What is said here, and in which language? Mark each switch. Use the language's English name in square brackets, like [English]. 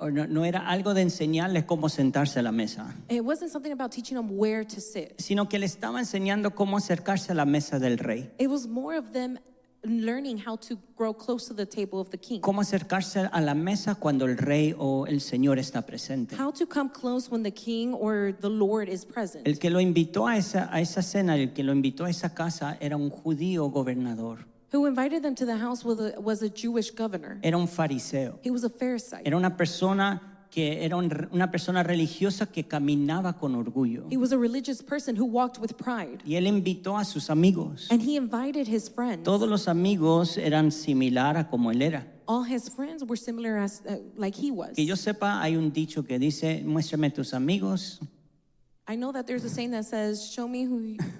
[Spanish] No era algo de enseñarles cómo sentarse a la mesa. [English] It wasn't something about teaching them where to sit. [Spanish] Sino que le estaba enseñando cómo acercarse a la mesa del rey. [English] It was more of them learning how to grow close to the table of the king. [Spanish] Cómo acercarse a la mesa cuando el rey o el señor está presente. [English] How to come close when the king or the Lord is present. [Spanish] El que lo invitó a esa cena, el que lo invitó a esa casa era un judío gobernador. [English] Who invited them to the house was a Jewish governor. [Spanish] Era un fariseo. [English] He was a Pharisee. [Spanish] Era una persona que era una persona religiosa que caminaba con orgullo. [English] He was a religious person who walked with pride. [Spanish] Y él invitó a sus amigos. [English] And he invited his friends. [Spanish] Todos los amigos eran similar a como él era. [English] All his friends were similar as like he was. [Spanish] Que yo sepa, hay un dicho que dice, muéstrame tus amigos. [English] I know that there's a saying that says, show me who you...